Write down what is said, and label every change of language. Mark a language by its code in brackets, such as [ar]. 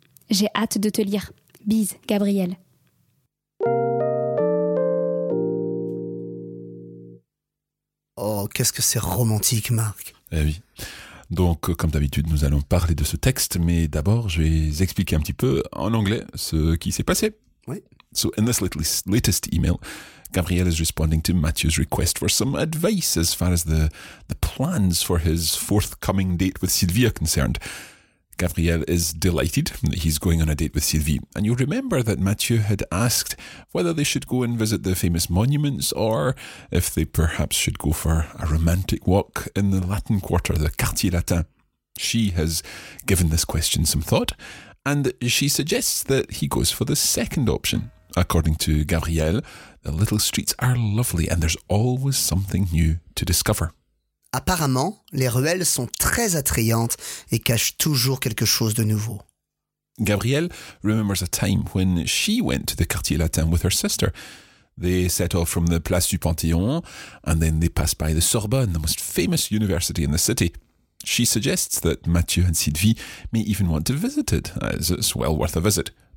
[fr] J'ai hâte de te lire. Bise, Gabrielle. Oh, qu'est-ce que c'est romantique, Marc. Eh oui. Donc, comme d'habitude, nous allons parler de ce texte, mais d'abord, je vais expliquer un petit peu en anglais ce qui s'est passé. Oui. [en] So, in this latest email, Gabriel is responding to Mathieu's request for some advice as far as the plans for his forthcoming date with Sylvie are concerned. Gabriel is delighted that he's going on a date with Sylvie. And you remember that Mathieu had asked whether they should go and visit the famous monuments or if they perhaps should go for a romantic walk in the Latin Quarter, the Quartier Latin. She has given this question some thought and she suggests that he goes for the second option. According to Gabriel, the little streets are lovely and there's always something new to discover. [fr] Apparemment, les ruelles sont très attrayantes et cachent toujours quelque chose de nouveau. [en] Gabrielle remembers a time when she went to the Quartier Latin with her sister. They set off from the Place du Panthéon and then they passed by the Sorbonne, the most famous university in the city. She suggests that Mathieu and Sylvie may even want to visit it, as it's well worth a visit.